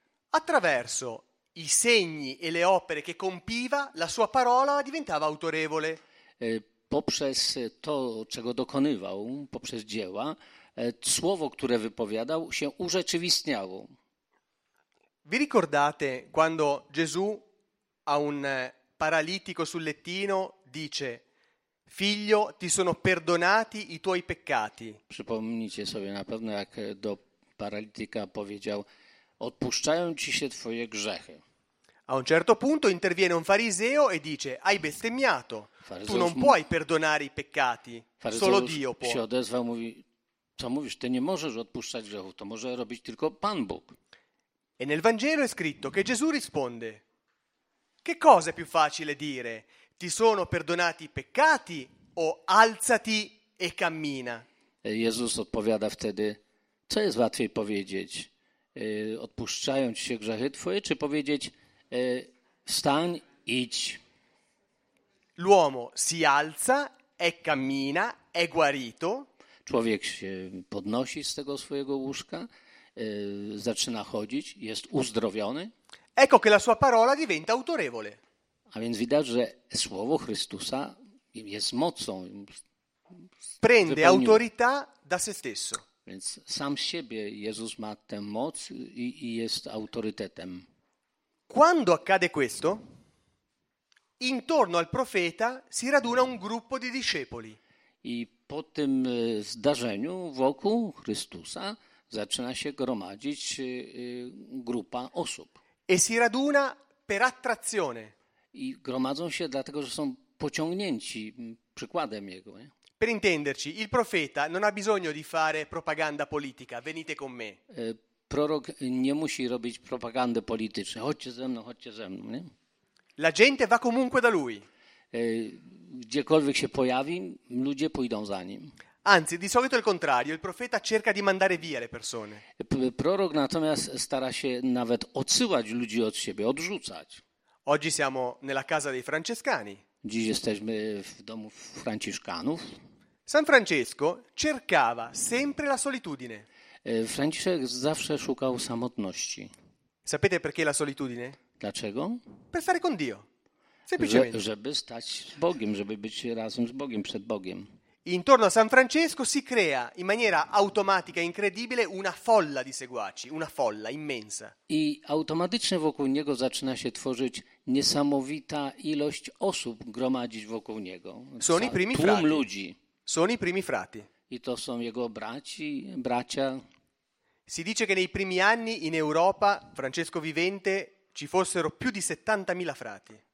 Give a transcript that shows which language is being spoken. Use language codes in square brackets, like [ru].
[it] Attraverso i segni e le opere che compiva, la sua parola diventava autorevole. [pl] Poprzez to, czego dokonywał, poprzez dzieła, słowo, które wypowiadał, się urzeczywistniało. [it] Vi ricordate quando Gesù a un paralitico sul lettino dice: figlio, ti sono perdonati i tuoi peccati. [pl] Przypomnijcie sobie na pewno, jak do paralityka powiedział: odpuszczają ci się twoje grzechy. [it] A un certo punto interviene un fariseo e dice: hai bestemmiato, tu non puoi perdonare i peccati, solo Dio può. [pl] Si odezwał, mówi: Co mówisz? Ty nie możesz odpuszczać grzechów, to może robić tylko Pan Bóg. [it] E nel Vangelo è scritto che Gesù risponde: che cosa è più facile dire? Ti sono perdonati i peccati o alzati e cammina? [pl] Jezus odpowiada wtedy: co jest łatwiej powiedzieć? Odpuszczają ci się grzechy twoje, czy powiedzieć: stań, idź. [it] L'uomo si alza e cammina, è guarito. [pl] Człowiek się podnosi z tego swojego łóżka, zaczyna chodzić, jest uzdrowiony. [it] Ecco che la sua parola diventa autorevole. [pl] A więc widać, że słowo Chrystusa jest mocą. [it] Prende autorità da se stesso. [pl] Więc sam siebie Jezus ma tę moc i jest autorytetem. [it] Quando accade questo, intorno al profeta si raduna un gruppo di discepoli. [pl] I po tym zdarzeniu wokół Chrystusa zaczyna się gromadzić grupa osób. [it] E si raduna per attrazione. [pl] I gromadzą się dlatego, że są pociągnięci przykładem jego. Nie? [it] Per intenderci, il profeta non ha bisogno di fare propaganda politica. Venite con me. [pl] Prorok nie musi robić propagandy politycznej. Chodźcie ze mną, nie? [it] La gente va comunque da lui. [pl] Gdziekolwiek się pojawi, ludzie pójdą za nim. [it] Anzi, di solito è il contrario, il profeta cerca di mandare via le persone. [pl] Prorok natomiast stara się nawet odsyłać ludzi od siebie, odrzucać. [it] Oggi siamo nella casa dei francescani. [pl] Dziś jesteśmy w domu franciszkanów. [it] San Francesco cercava sempre la solitudine. [pl] Franciszek zawsze szukał samotności. [it] Sapete perché la solitudine? [pl] Dlaczego? [it] Per stare con Dio. [pl] Żeby stać z Bogiem, żeby być razem z Bogiem, przed Bogiem. [it] Intorno a San Francesco si crea in maniera automatica, incredibile, una folla di seguaci, una folla immensa. [pl] I automatycznie wokół niego zaczyna się tworzyć niesamowita ilość osób, gromadzić wokół niego. [it] Sono i primi frati. [pl] Tłum ludzi. [it] Sono i primi frati. [pl] I to są jego braci, bracia. [it] Si dice che nei primi anni in Europa, Francesco vivente, ci fossero più di 70.000 frati.